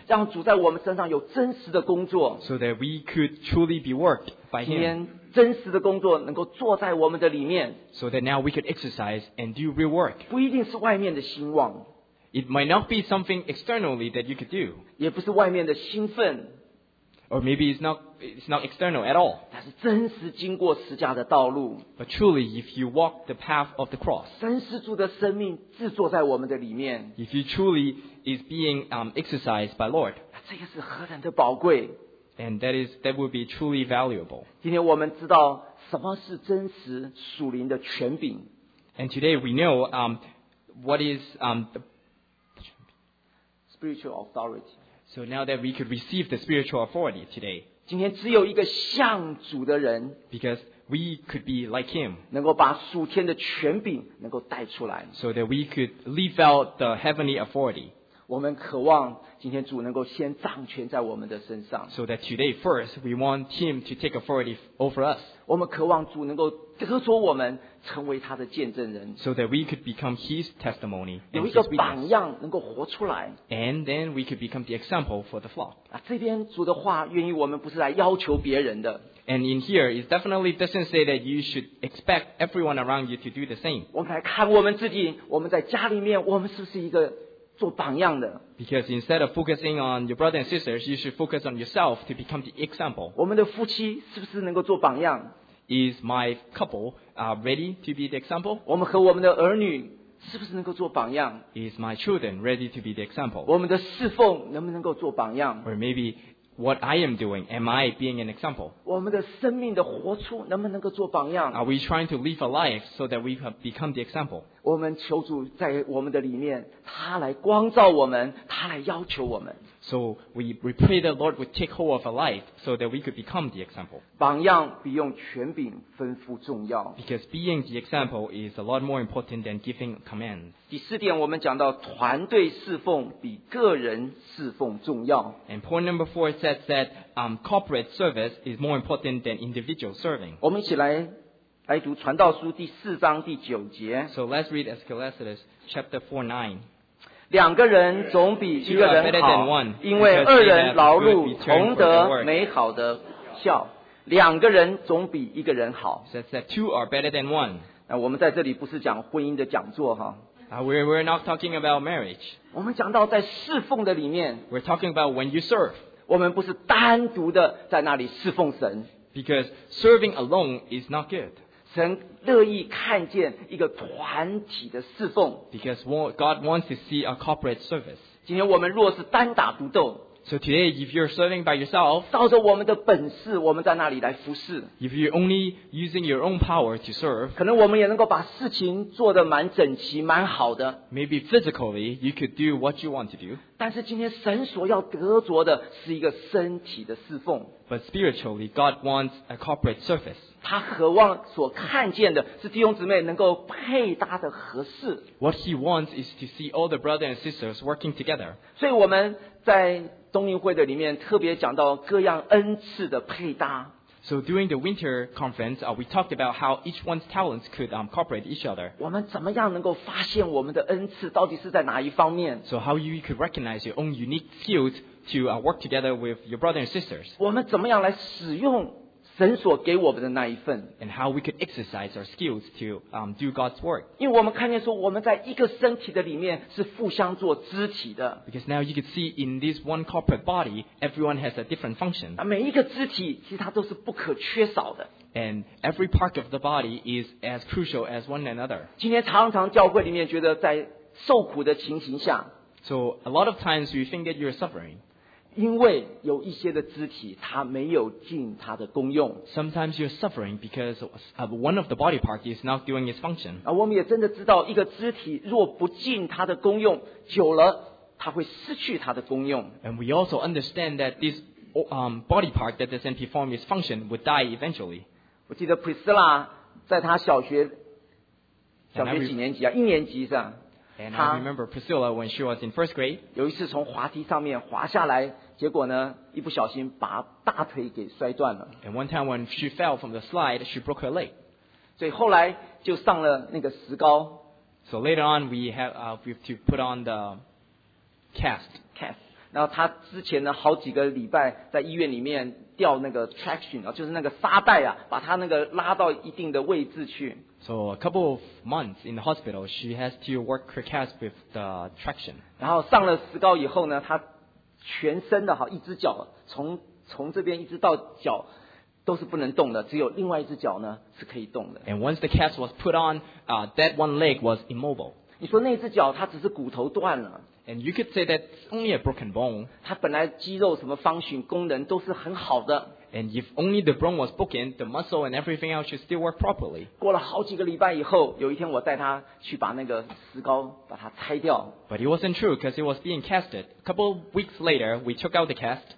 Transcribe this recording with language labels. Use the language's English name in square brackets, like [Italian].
[Chinese] 让主在我们身上有真实的工作。 [English] So that we could truly be worked by Him. [Chinese] 真实的工作能够做在我们的里面。 [English] So that now we could exercise and do real work. [Chinese] 不一定是外面的兴旺。 [English] It might not be something externally that you could do. [Chinese] 也不是外面的兴奋。 [English] Or maybe it's not external at all. [Chinese] 但是真实经过十架的道路。 [English] But truly, if you walk the path of the cross, [Chinese] 真实主的生命制作在我们的里面。 [English] If you truly is being exercised by Lord, [Chinese] 这个是何等的宝贵。 [English] And that would be truly valuable. [Chinese] 今天我们知道什么是真实属灵的权柄。 [English] And today we know what is the spiritual authority. So now that we could receive the spiritual authority today, [Chinese] 今天只有一个像主的人 [English] because we could be like him, [Chinese] 能够把属天的权柄能够带出来 [English] so that we could live out the heavenly authority. [Chinese] 我们渴望今天主能够先掌权在我们的身上 [English] so that today first we want him to take authority over us. [Chinese] 我们渴望主能够得着我们成为他的见证人 [English] so that we could become his testimony [Chinese] 有一个榜样能够活出来 [English] and then we could become the example for the flock [Chinese] 这边主的话愿意我们不是来要求别人的 [English] and in here it definitely doesn't say that you should expect everyone around you to do the same [Chinese] 我们来看我们自己我们在家里面我们是不是一个做榜样的 [English] because instead of focusing on your brothers and sisters you should focus on yourself to become the example [Chinese] 我们的夫妻是不是能够做榜样 [English] Is my couple ready to be the example? [Chinese] 我们和我们的儿女是不是能够做榜样 [English] Is my children ready to be the example? [Chinese] 我们的侍奉能不能够做榜样 [English] Or maybe what I am doing, am I being an example? [Chinese] 我们的生命的活出能不能够做榜样 [English] Are we trying to live a life so that we have become the example? [Chinese] 我们求主在我们的里面，他来光照我们，他来要求我们。 [English] So we pray that Lord would take hold of our life so that we could become the example. [Chinese] 榜样比用权柄吩咐重要。 [English] Because being the example is a lot more important than giving commands. [Chinese] 第四点我们讲到团队侍奉比个人侍奉重要。 [English] And point number four says that corporate service is more important than individual serving. [Chinese] 我们一起来读传道书第四章第九节。 [English] So let's read Ecclesiastes chapter 4:9. [Chinese] 两个人总比一个人好因为二人劳碌同得美好的效两个人总比一个人好 [English] so that two are better than one. [Chinese] 那我们在这里不是讲婚姻的讲座哈 [English] we're not talking about marriage [Chinese] 我们讲到在侍奉的里面 [English] we're talking about when you serve [Chinese] 我们不是单独的在那里侍奉神 [English] because serving alone is not good [Chinese] 神乐意看见一个团体的侍奉 [English] Because God wants to see a corporate service. [Chinese] 今天我们若是单打独斗 [English] So today if you're serving by yourself [Chinese] 照着我们的本事我们在那里来服侍 [English] If you're only using your own power to serve [Chinese] 可能我们也能够把事情做得蛮整齐蛮好的 [English] Maybe physically you could do what you want to do [Chinese] 但是今天神所要得着的是一个身体的侍奉 [English] But spiritually God wants a corporate service. [Chinese] 他渴望所看见的是弟兄姊妹能够配搭的合适。 [English] What he wants is to see all the brothers and sisters working together. [Chinese] 所以我们在冬令会的里面特别讲到各样恩赐的配搭。 [English] So during the winter conference, we talked about how each one's talents could cooperate each other. [Chinese] 我们怎么样能够发现我们的恩赐到底是在哪一方面 [English] ？So how you could recognize your own unique skills to work together with your brothers and sisters? [Chinese] 我们怎么样来使用？神所给我们的那一份 [English] and how we could exercise our skills to do God's work [Chinese] 因为我们看见说我们在一个身体的里面是互相做肢体的 [English] because now you could see in this one corporate body everyone has a different function [Chinese] 每一个肢体其实它都是不可缺少的 [English] and every part of the body is as crucial as one another [Chinese] 今天常常教会里面觉得在受苦的情形下 [English] so a lot of times you think that you're suffering [Chinese] 因为有一些的肢体它没有尽它的功用 [English] Sometimes you're suffering because one of the body parts is not doing its function [Chinese] 我们也真的知道一个肢体若不尽它的功用久了它会失去它的功用 [English] And we also understand that this body part that doesn't perform its function would die eventually [Chinese] 我记得 Priscilla 在她小学几年级啊一年级是吧 [English] And I remember Priscilla when she was in first grade. [Chinese] 有一次从滑梯上面滑下来，结果呢，一不小心把大腿给摔断了。 [English] And one time when she fell from the slide, she broke her leg. [Chinese] 所以后来就上了那个石膏。 [English] So later on, we have we have to put on the cast. Cast. [Chinese] 然后他之前呢，好几个礼拜在医院里面吊那个 traction 就是那个沙袋啊，把他那个拉到一定的位置去。 [English] So a couple of months in the hospital, she has to work her cast with the traction. [Chinese] 然后上了石膏以后呢，他全身的哈，一只脚从这边一直到脚。都是不能动的，只有另外一只脚呢是可以动的。 [English] And once the cast was put on, that one leg was immobile. [Chinese] 你说那只脚它只是骨头断了。 [English] And you could say that's only a broken bone. [Chinese] 它本来肌肉什么function功能都是很好的。 [English] And if only the bone was broken, the muscle and everything else should still work properly. [Chinese] 过了好几个礼拜以后，有一天我带他去把那个石膏把它拆掉。 [English] But it wasn't true because it was being casted. A couple of weeks later, we took out the cast.